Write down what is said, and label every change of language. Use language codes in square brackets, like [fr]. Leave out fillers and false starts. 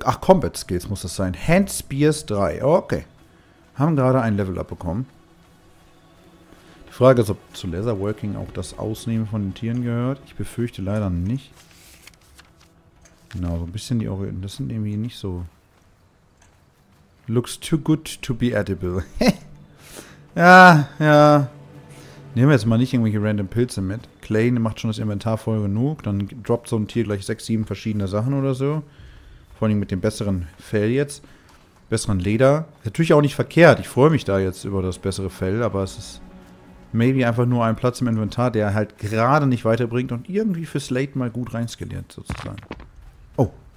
[de] Ach, Combat Skills muss das sein. Hand Spears 3. Okay. Haben gerade ein Level Up bekommen. Frage ist, ob zu Leatherworking auch das Ausnehmen von den Tieren gehört. Ich befürchte leider nicht. Genau, so ein bisschen die Orientierung. Das sind irgendwie nicht so... [en] Looks too good to be edible. [de] Ja, ja. Nehmen wir jetzt mal nicht irgendwelche random Pilze mit. Clay macht schon das Inventar voll genug. Dann droppt so ein Tier gleich 6-7 verschiedene Sachen oder so. Vor allem mit dem besseren Fell jetzt. Besseren Leder. Natürlich auch nicht verkehrt. Ich freue mich da jetzt über das bessere Fell, aber es ist... Maybe einfach nur einen Platz im Inventar, der halt gerade nicht weiterbringt und irgendwie für Slate mal gut reinskaliert, sozusagen. Oh,